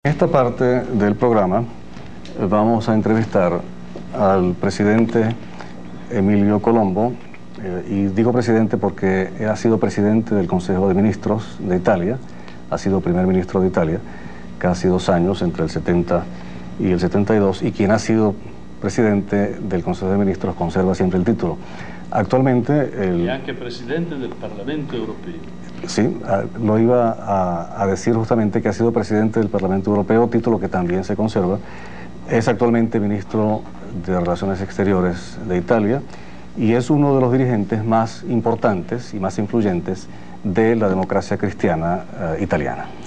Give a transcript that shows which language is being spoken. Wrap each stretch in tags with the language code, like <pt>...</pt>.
<es>En esta parte del programa vamos a entrevistar al presidente Emilio Colombo, y digo presidente porque ha sido presidente del Consejo de Ministros de Italia, ha sido primer ministro de Italia casi dos años, entre el 70 y el 72, y quien ha sido presidente del Consejo de Ministros conserva siempre el título. Actualmente el...</es> <it>Y anche presidente del Parlamento Europeo.</it> <es>Sí, lo iba a decir justamente, que ha sido presidente del Parlamento Europeo, título que también se conserva. Es actualmente ministro de Relaciones Exteriores de Italia y es uno de los dirigentes más importantes y más influyentes de la democracia cristiana italiana.</es>